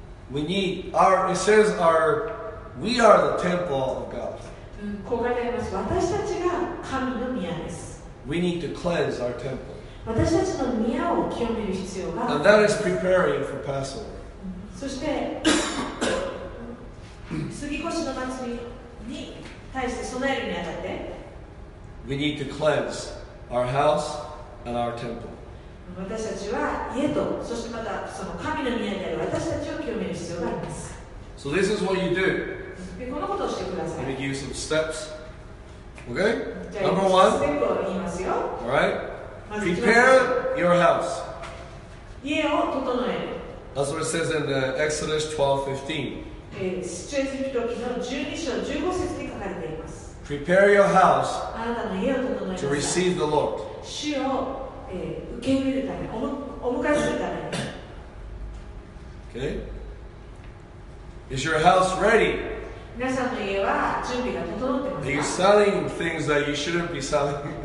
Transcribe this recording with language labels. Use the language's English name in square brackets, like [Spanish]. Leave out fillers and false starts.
[English] We need our, it says our, we are the temple of God. [Japanese] こう書いてあります。私たちが神の宮です。 [English] We need to cleanse our temple. [Japanese] 私たちの宮を清める必要が [English] And that is preparing for Passover. [Japanese] そして過ぎ越しの祭に対して備えるにあたって [English] We need to cleanse our house and our temple. [Japanese] 私たちは家とそしてまたその神の宮である私たちを清める必要があります。 [English] So this is what you do. [Japanese] でこのことをしてください。 [English] Let me give you some steps. Okay? Number one. [Japanese] ステップを言いますよ。 [English] All right? Prepare your house. [Japanese] 家を整える。 [English] That's what it says in Exodus 12:15. [Japanese] 出エジプト記の12章15節に書かれています。 [English] Prepare your house. [Japanese] あなたの家を整える。 [English] To receive the Lord. [Japanese] 主を受け入れるため、お迎えするため。 [English] Okay. Is your house ready? [Japanese] 皆さんの家は準備が整ってますか? [English] Are you selling things that you shouldn't be selling?